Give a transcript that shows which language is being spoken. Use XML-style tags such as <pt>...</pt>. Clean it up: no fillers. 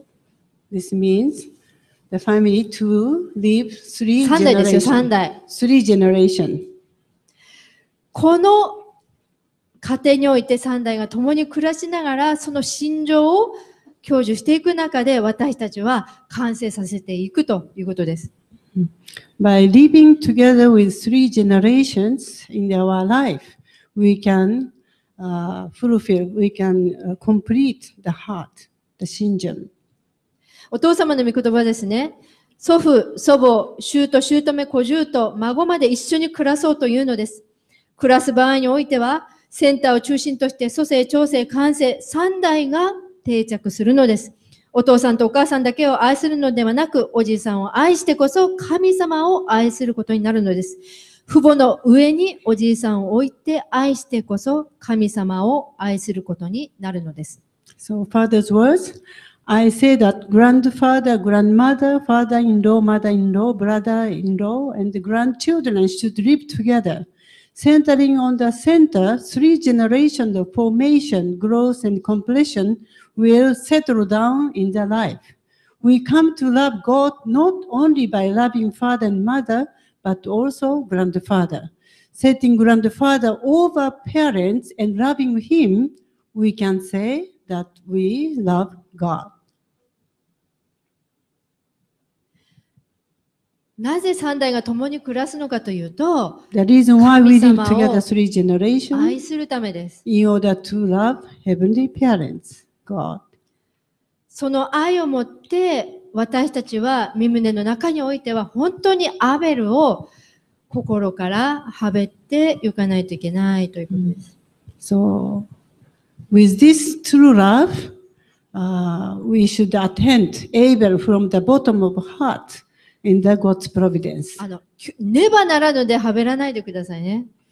<en>So, this means... The family to live three generations.</en> <ja>三代ですよ、三代。</ja> <en>Three generations.</en> <ja>この家庭において三代が共に暮らしながら、その信条を享受していく中で、私たちは完成させていくということです。</ja> <en>By living together with three generations in our life, we can fulfill, we can complete the heart, the 信条。</en> <ja>お父様の御言葉ですね。祖父、祖母、舅、舅、小舅、孫まで一緒に暮らそうというのです。暮らす場合においては、センターを中心として、祖先、長先、間先、三代が定着するのです。お父さんとお母さんだけを愛するのではなく、おじいさんを愛してこそ神様を愛することになるのです。父母の上におじいさんを置いて愛してこそ神様を愛することになるのです。</ja> <en>So, father's words, I say that grandfather, grandmother, father-in-law, mother-in-law, brother-in-law, and grandchildren should live together, centering on the center, three generations of formation, growth, and completion will settle down in their life. We come to love God not only by loving father and mother,but also grandfather. Setting grandfather over parents and loving him, we can say that we love God.</en> <ja>なぜ三代が共に暮らすのかというと、</ja> <en>The reason why we live together three generations,</en> <ja>愛するためです。</ja> <en>In order to love heavenly parents, God.</en> <ja>その愛をもって、私たちは身胸の中においては本当にアベルを心からはべって行かないといけないということです。</ja> <en>So, with this true love, we should attend Abel from the bottom of heart in the God's providence.</en> <ja>ねばならぬではべらないでくださいね。</ja>